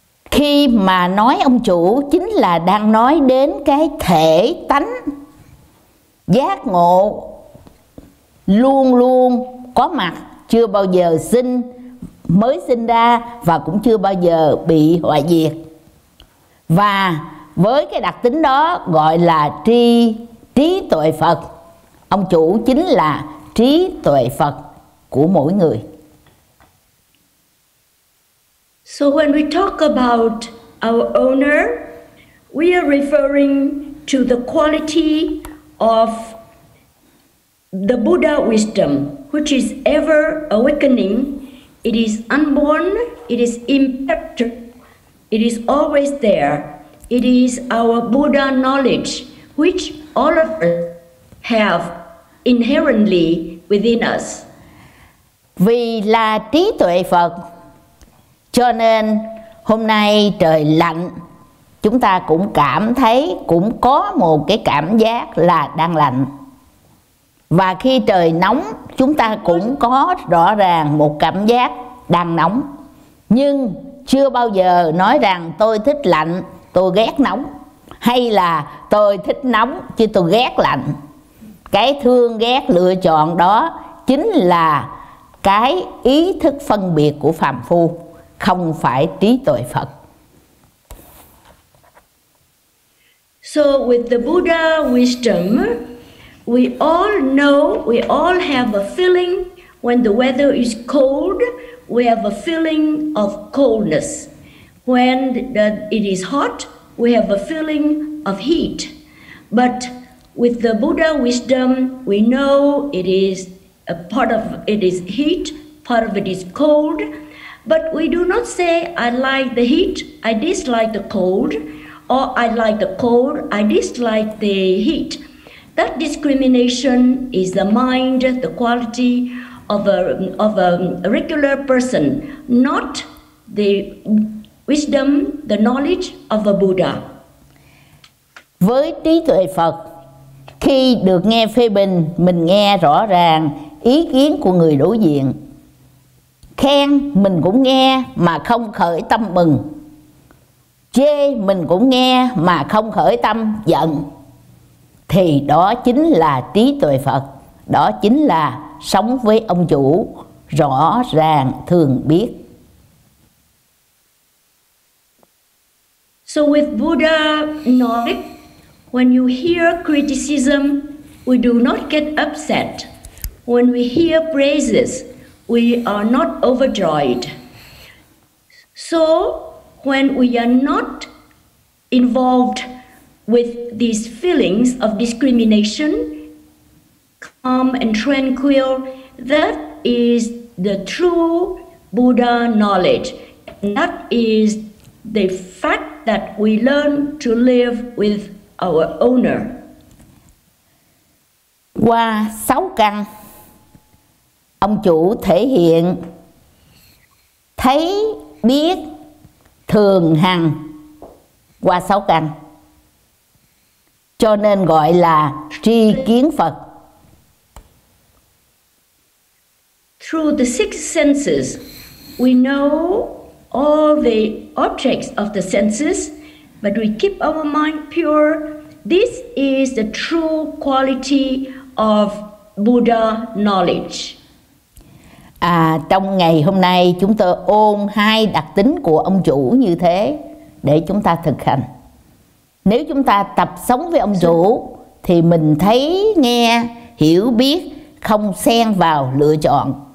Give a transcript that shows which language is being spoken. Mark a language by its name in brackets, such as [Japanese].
[Vietnamese] Khi mà nói ông chủ chính là đang nói đến cái thể tánh giác ngộ luôn luôn có mặt, chưa bao giờ sinh, mới sinh ra và cũng chưa bao giờ bị hoại diệt. Và với cái đặc tính đó gọi là trí tuệ Phật. Ông chủ chính là trí tuệ Phật của mỗi người. [English] So when we talk about our owner, we are referring to the quality of the Buddha wisdom, which is ever awakening. It is unborn, it is imperishable, it is always there. It is our Buddha knowledge, which all of us have inherently within us. [Vietnamese] Vì là trí tuệ Phật, cho nên hôm nay trời lạnh, chúng ta cũng cảm thấy, cũng có một cái cảm giác là đang lạnh. Và khi trời nóng, chúng ta cũng có rõ ràng một cảm giác đang nóng. Nhưng chưa bao giờ nói rằng tôi thích lạnh, tôi ghét nóng, hay là tôi thích nóng chứ tôi ghét lạnh. Cái thương ghét lựa chọn đó chính là cái ý thức phân biệt của phàm phu, không phải trí tuệ Phật. [English] So with the Buddha wisdom, we all know, we all have a feeling when the weather is cold, we have a feeling of coldness. When it is hot, we have a feeling of heat. But with the Buddha wisdom, we know it is a part of it is heat, part of it is cold. But we do not say, I like the heat, I dislike the cold, or I like the cold, I dislike the heat. That discrimination is the mind, the quality of a regular person, not the wisdom, the knowledge of a Buddha. [Vietnamese] Với trí tuệ Phật, khi được nghe phê bình, mình nghe rõ ràng ý kiến của người đối diện. Khen, mình cũng nghe mà không khởi tâm mừng. Chê, mình cũng nghe mà không khởi tâm giận. Thì đó chính là trí tuệ Phật. Đó chính là sống với ông chủ, rõ ràng, thường biết. [English] So with Buddha knowledge, when you hear criticism, we do not get upset. When we hear praises, we are not overjoyed. So when we are not involved with these feelings of discrimination, calm and tranquil, that is the true Buddha knowledge. And that is the fact that we learn to live with our owner. [Vietnamese] Qua sáu căn, ông chủ thể hiện thấy biết thường hằng qua sáu căn, cho nên gọi là tri kiến Phật. [English] Through the six senses, we know all the objects of the senses, but we keep our mind pure. This is the true quality of Buddha knowledge. [Vietnamese] À, trong ngày hôm nay chúng tôi ôm hai đặc tính của ông chủ như thế để chúng ta thực hành. Nếu chúng ta tập sống với ông chủ thì mình thấy, nghe, hiểu biết, không xen vào lựa chọn.